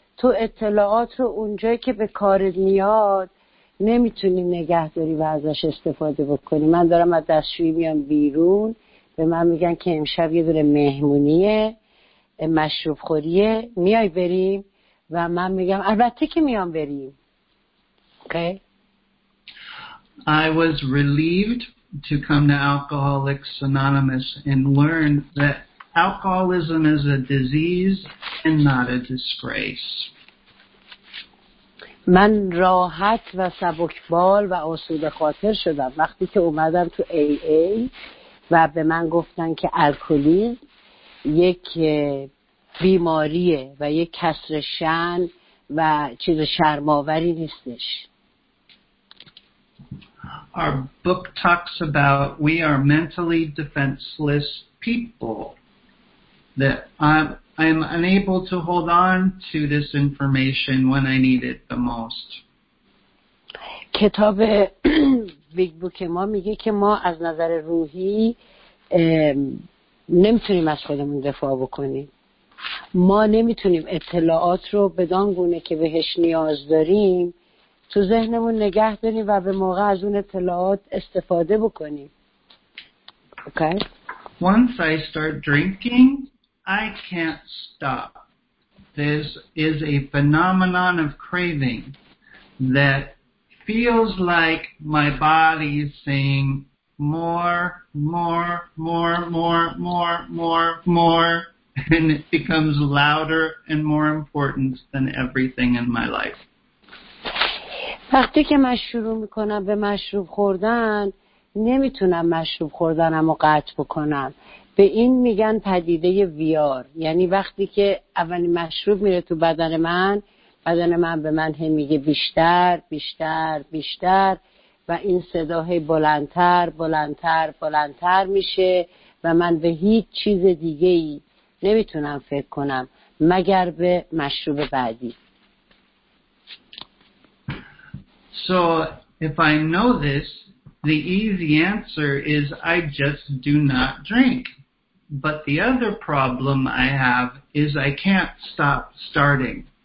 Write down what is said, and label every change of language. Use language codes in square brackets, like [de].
[fa] تو اطلاعات رو اونجایی که به کارت میاد نمیتونی نگه داری و ازش استفاده بکنی. من دارم از دستشویی میام بیرون به من میگن که امشب یه دونه مهمونیه مشروب خوریه میای بریم و من میگم البته که میام بریم. [en] I was relieved to come to Alcoholics Anonymous and learn that alcoholism is a disease and not a disgrace. [fa] من راحت و سبکبال و آسوده خاطر شدم وقتی که اومدم تو AA و به من گفتن که الکلیسم یک بیماریه و یک کسر شأن و چیز شرم‌آوری نیستش. [en] Our book talks about we are mentally defenseless people. That I'm unable to hold on to this information when I need it the most. [fa] کتاب بیگ بوک ما میگه که ما از نظر روحی نمیتونیم از خودمون دفاع بکنیم. ما نمیتونیم اطلاعات رو بدان گونه که بهش نیاز داریم تو ذهنمون نگه داریم و به موقع از اون اطلاعات استفاده بکنیم. [en] Okay. Once I start drinking, I can't stop. This is a phenomenon of craving that feels like my body is saying more, more, more, more, more, more, more, and it becomes louder and more important than everything in my life. [fa] وقتی که من شروع میکنم به مشروب خوردن نمیتونم مشروب خوردنم رو قطع بکنم. به این میگن پدیده ویار، یعنی وقتی که اولین مشروب میره تو بدن من، بدن من به من هم میگه بیشتر، بیشتر، بیشتر و این صداهای بلندتر، بلندتر، بلندتر میشه و من به هیچ چیز دیگه‌ای نمیتونم فکر کنم مگر به مشروب بعدی. [en] So if I know this, the easy answer is I just do not drink. But the other problem I have is I can't stop starting.